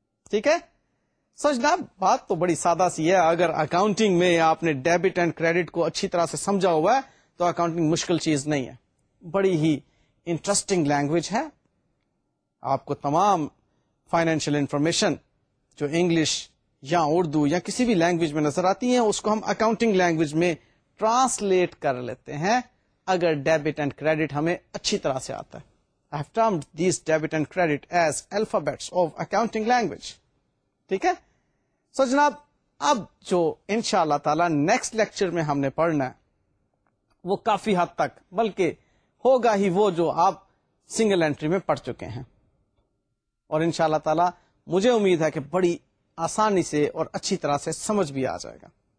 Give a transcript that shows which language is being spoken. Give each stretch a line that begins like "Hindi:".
Urdu: ٹھیک ہے, سمجھنا, بات تو بڑی سادہ سی ہے. اگر اکاؤنٹنگ میں آپ نے ڈیبٹ اینڈ کریڈٹ کو اچھی طرح سے سمجھا ہوا ہے تو اکاؤنٹنگ مشکل چیز نہیں ہے, بڑی ہی انٹرسٹنگ لینگویج ہے. آپ کو تمام فائنینشیل انفارمیشن جو انگلش یا اردو یا کسی بھی لینگویج میں نظر آتی ہیں اس کو ہم اکاؤنٹنگ لینگویج میں ٹرانسلیٹ کر لیتے ہیں اگر ڈیبٹ اینڈ کریڈٹ ہمیں اچھی طرح سے آتا ہے.
English: I have termed these debit and credit as alphabets of accounting language.
Urdu: ٹھیک ہے, سو جناب اب جو انشاءاللہ تعالی نیکسٹ لیکچر میں ہم نے پڑھنا ہے وہ کافی حد تک بلکہ ہوگا ہی وہ جو آپ سنگل انٹری میں پڑھ چکے ہیں, اور انشاءاللہ تعالی مجھے امید ہے کہ بڑی آسانی سے اور اچھی طرح سے سمجھ بھی آ جائے گا.